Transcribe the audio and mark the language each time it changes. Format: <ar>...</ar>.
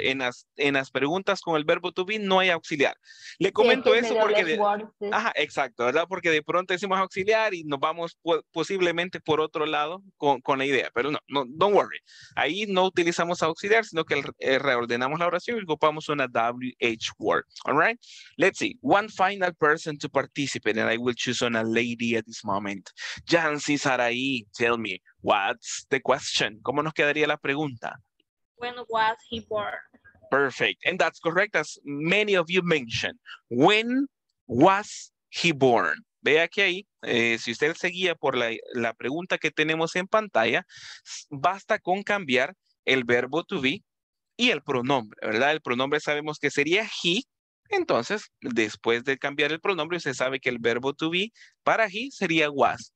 <es>En las preguntas con el verbo to be no hay auxiliar. Le comento sí, eso porque... Ajá, exacto, ¿verdad? Porque de pronto decimos auxiliar y nos vamos posiblemente por otro lado con la idea. Pero no,</es> <en>don't worry.</en> <es>Ahí no utilizamos auxiliar, sino que reordenamos la oración y ocupamos una WH word.</es> <en>All right? Let's see. One final person to participate and I will choose on a lady at this moment. Yancy Saraí, tell me, what's the question?</en> <es>¿Cómo nos quedaría la pregunta?</es> <en>When was he born? Perfect. And that's correct, as many of you mentioned. When was he born?</en> <es>Vea que ahí, si usted seguía por la pregunta que tenemos en pantalla, basta con cambiar el verbo to be y el pronombre, ¿verdad? El pronombre sabemos que sería he. Entonces, después de cambiar el pronombre, usted sabe que el verbo to be para he sería was.</es>